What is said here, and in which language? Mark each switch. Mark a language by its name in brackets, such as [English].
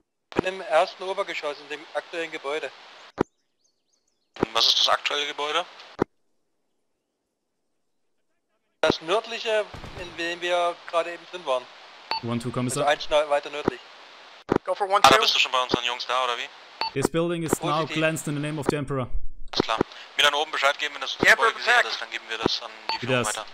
[German] Ich bin im ersten Obergeschoss in dem aktuellen Gebäude. Und was ist das aktuelle Gebäude? Das nördliche, in dem wir gerade eben drin waren. 1-2, Kommissar. Also eins weiter nördlich. [English] Go for 1-2. [German] Ah, da bist du schon bei unseren Jungs da, oder wie? [English] This building is now cleansed in the name of the Emperor. [German] Alles klar. Mir dann oben Bescheid geben, wenn das Gebäude gesichert ist, dann geben wir das an die Führung weiter.